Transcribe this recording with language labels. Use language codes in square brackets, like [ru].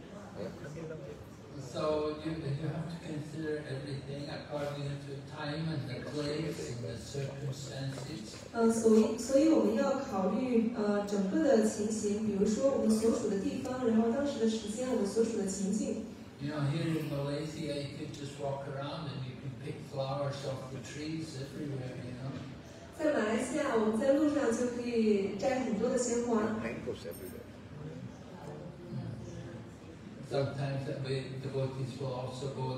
[zh] 我记得我在日本时代去的时候，我在伦敦，那个地方的鲜花也很昂贵，所以我们不会献上一朵鲜花，而是个花瓣。So [en] you have to consider everything according to time and the place and the circumstances. [zh] 所以我们要考虑整个的情形，比如说我们所处的地方，然后当时的时间，我们所处的情境。 [en] You know, here in Malaysia, you could just walk around and you can pick flowers off the trees everywhere, you know. [zh] 在马来西亚，我们在路上就可以摘很多的鲜花。Sometimes [en] the devotees will also go.